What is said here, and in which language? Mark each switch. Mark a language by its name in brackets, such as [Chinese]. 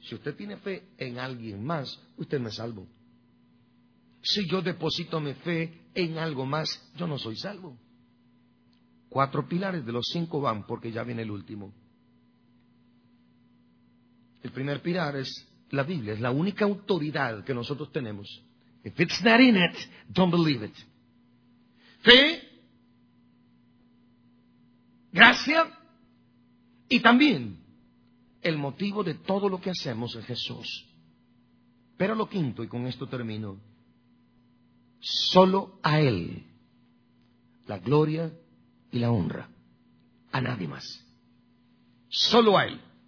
[Spanish] Si usted tiene fe en alguien más, usted no es salvo. Si yo deposito mi fe en algo más, yo no soy salvo. Cuatro pilares de los cinco van, porque ya viene el último. El primer pilar es la Biblia, es la única autoridad que nosotros tenemos. [English] If it's not in it, don't believe it. Fe [Spanish] gracia y también el motivo de todo lo que hacemos en Jesús. Pero lo quinto, y con esto termino, solo a Él la gloria y la honra, a nadie más, solo a Él.